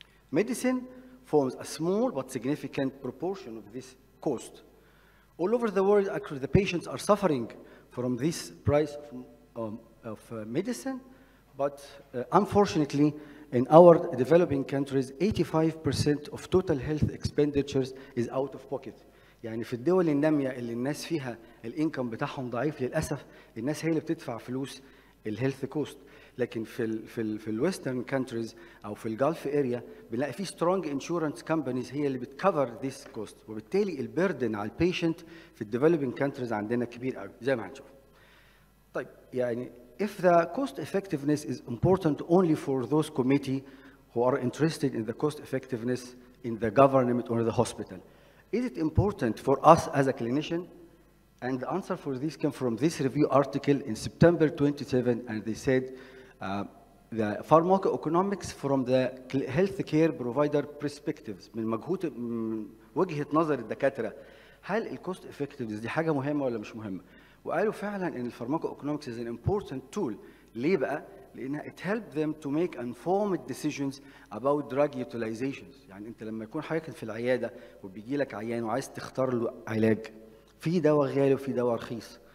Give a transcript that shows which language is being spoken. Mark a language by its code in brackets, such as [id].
[en] Medicine forms a small but significant proportion of this cost. All over the world, actually, the patients are suffering from this price of medicine, but unfortunately, in our developing countries, 85% of total health expenditures is out of pocket. [ar] يعني في الدول النامية اللي الناس فيها الانكم بتاعهم ضعيف للأسف الناس هي اللي بتدفع فلوس الـ health cost. لكن في الـ Western countries أو في الـ Gulf area بنلاقي في strong insurance companies هي اللي بتcover this cost. وبالتالي الـ burden على الـ patient في الـ developing countries عندنا كبير قوي زي ما هنشوف. طيب يعني [en] If the cost effectiveness is important only for those committee who are interested in the cost effectiveness in the government or the hospital, is it important for us as a clinician? And the answer for this came from this review article in September 27, and they said the pharmacoeconomics from the healthcare provider perspectives, [ar] من مجهود وجهة نظر الدكاترة, هل الكوست effectiveness دي حاجة مهمة ولا مش مهمة؟ وقالوا فعلا ان [en] الفارماكو اوكونومكس is an important tool ليه بقى؟ لانها it help them to make informed decisions about drug utilizations [ar] يعني انت لما يكون حضرتك في العياده وبيجي لك عيان وعايز تختار له علاج في دواء غالي وفي دواء رخيص